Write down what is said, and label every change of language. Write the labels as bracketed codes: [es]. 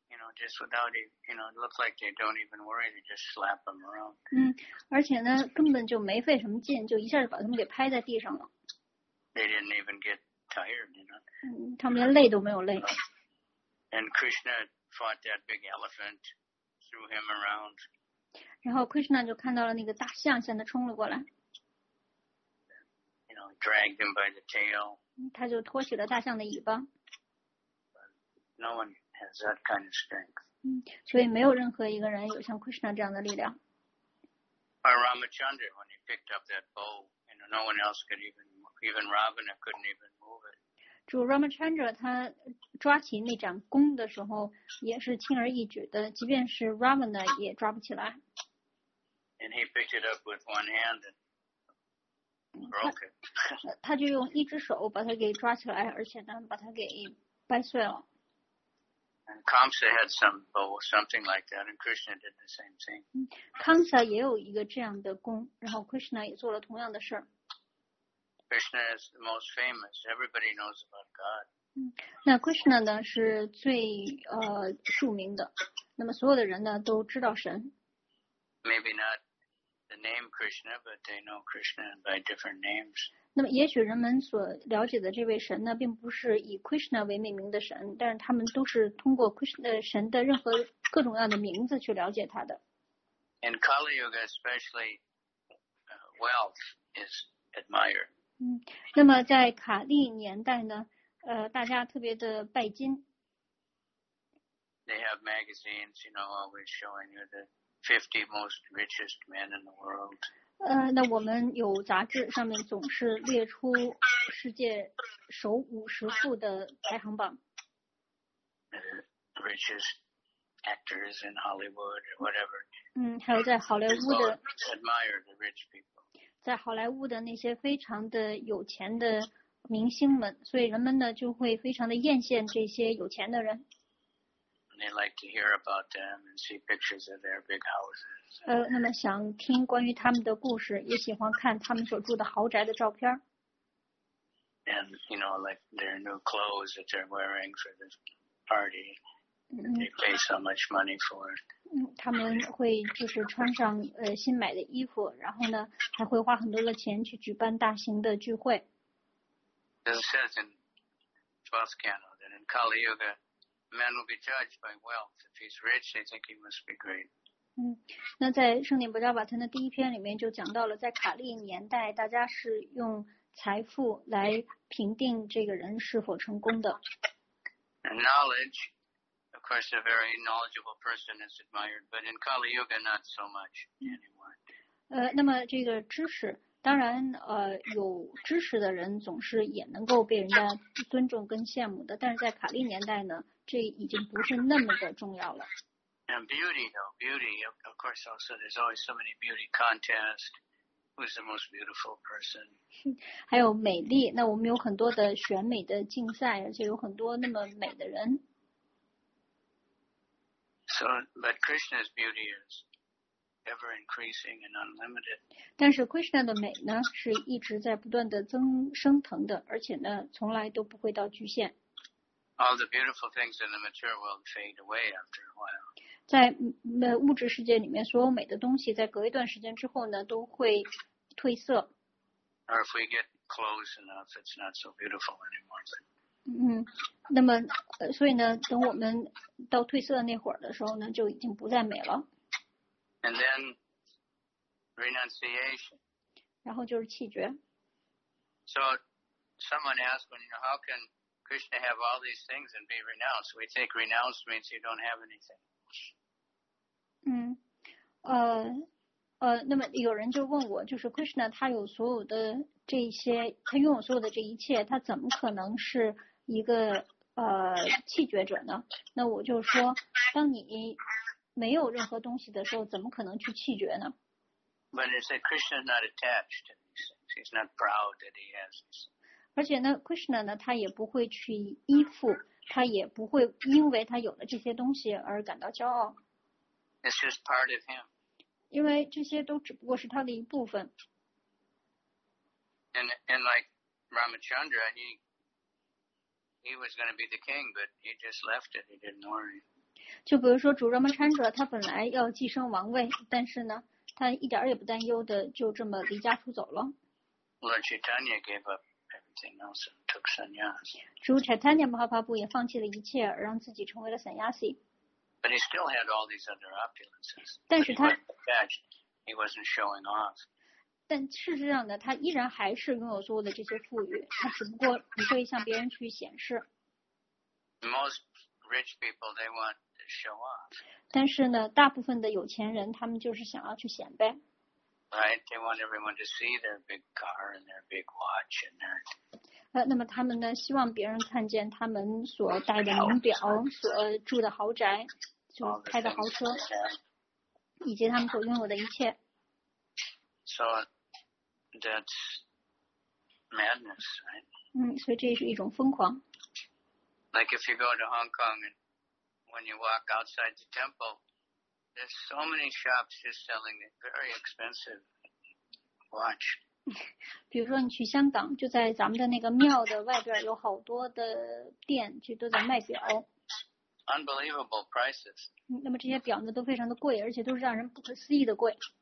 [en] You know, just without it, you know, it looks like they don't even worry. They just slap them around. [zh] 而且呢，根本就没费什么劲，就一下就把他们给拍在地上了。 [en] They didn't even get tired, you know. [zh] 他们连累都没有累。 [en] And Krishna fought that big elephant, threw him around. [zh] 然后 Krishna 就看到了那个大象向他冲了过来。 [en] You know, dragged him by the tail. [zh] 他就拖起了大象的尾巴。 [en] No one. Has that kind of strength. [zh] 所以没有任何一个人有像 Krishna 这样的力量。 [en] Or Ramachandra, when he picked up that bow, you know, no one else could even Ravana couldn't even move it. [zh] 主 Ramachandra 他抓起那掌弓的时候也是轻而易举的，即便是 Ravana 也抓不起来。 [en] And he picked it up with one hand and broke it. [zh] 他就用一只手把它给抓起来，而且呢把它给掰碎了。 [en] And Kamsa had some bow, something like that, and Krishna did the same thing. [zh] Kamsa 也有一个这样的弓，然后 Krishna 也做了同样的事。 [en] Krishna is the most famous. Everybody knows about God. [zh] 那 Krishna 呢是最著名的，那么所有的人呢都知道神。 [en] Maybe not the name Krishna, but they know Krishna by different names. [zh] 那么也许人们所了解的这位神呢并不是以 Krishna 为命名的神，但是他们都是通过 Krishna 神的任何各种各样的名字去了解他的。 [en] And Kali Yuga especially, wealth is admired. [zh] 那么在卡利年代呢大家特别的拜金。 [en] They have magazines, you know, always showing you the 50 most richest men in the world. [zh] 那我们有杂志上面总是列出世界首五十富的排行榜。 [en] Richest actors in Hollywood, whatever. [zh] 还有在好莱坞的。 [en] Admire the rich people. [zh] 在好莱坞的那些非常的有钱的明星们，所以人们呢就会非常的艳羡这些有钱的人。 [en] They like to hear about them and see pictures of their big houses. [zh] 那么想听关于他们的故事，也喜欢看他们所住的豪宅的照片。 [en] And you know, like their new clothes that they're wearing for this party, they pay so much money for. [zh] 他们会就是穿上新买的衣服，然后呢还会花很多的钱去举办大型的聚会。 [en] It says in 12th canto that in Kali Yuga. Man will be judged by wealth. If he's rich, they think he must be great. [zh] 那在《圣典不加瓦特》的第一篇里面就讲到了，在卡利年代，大家是用财富来评定这个人是否成功的。 [en] And knowledge, of course, a very knowledgeable person is admired, but in Kali Yuga, not so much anymore. [zh] 那么这个知识，当然，有知识的人总是也能够被人家尊重跟羡慕的，但是在卡利年代呢？这已经不是那么的重要了。 [en] And beauty, though, beauty, of course, also, there's always so many beauty contests. Who's the most beautiful person? [zh] 还有美丽，那我们有很多的选美的竞赛，而且有很多那么美的人。 [en] So, but Krishna's beauty is ever increasing and unlimited. [zh] 但是 Krishna 的美呢，是一直在不断的增升腾的，而且呢，从来都不会到局限。 [en] All the beautiful things in the material world fade away after a while. [zh] 在物质世界里面，所有美的东西，在隔一段时间之后呢，都会褪色。 [en] Or if we get close enough, it's not so beautiful anymore. [zh] 那么所以呢，等我们到褪色那会儿的时候呢，就已经不再美了。 [en] And then renunciation. [zh] 然后就是弃绝。 [en] So someone asked me, you know, how can Krishna have all these things and be renounced? We think renounced means you don't have anything. [zh] 那么有人就问我，就是 Krishna 他有所有的这些，他拥有所有的这一切，他怎么可能是一个弃绝者呢？那我就说，当你没有任何东西的时候，怎么可能去弃绝呢？ [en] But it's that Krishna is not attached to these things. He's not proud that he has this. [zh] 而且呢 ，Krishna 呢，他也不会去依附，他也不会因为他有了这些东西而感到骄傲。 [en] It's just part of him. [zh] 因为这些都只不过是他的一部分。 [en] And like Ramachandra, he was going to be the king, but he just left it. He didn't worry. [zh] 就比如说主 Ramachandra, 他本来要继承王位，但是呢，他一点也不担忧的，就这么离家出走了。 [en] Lord Chaitanya gave up everything else and took sannyas. [zh] 主 Chaitanya Mahaprabhu 也放弃了一切，让自己成为了 sannyasi。 [en] But he still had all these other opulences. [zh] 但是他 [en] he wasn't showing off. [zh] 但事实上呢，他依然还是拥有所有的这些富裕，他只不过不会向别人去显示。 [en] Most rich people they want to show off. [zh] 但是呢，大部分的有钱人他们就是想要去显摆。 [en] Right, they want everyone to see their big car and their big watch and their. [zh] 那么他们呢？希望别人看见他们所戴的名表、所住的豪宅、所开的豪车，以及他们所拥有的一切。 [en] So that's madness, right? [zh] 所以这是一种疯狂。 [en] Like if you go to Hong Kong and when you walk outside the temple, there's so many shops just selling a very expensive watch. [zh] 比如说你去香港，就在咱们的那个庙的外边有好多的店，就都在卖表。 [en] Unbelievable prices. [zh] 那么这些表呢都非常的贵，而且都是让人不可思议的贵。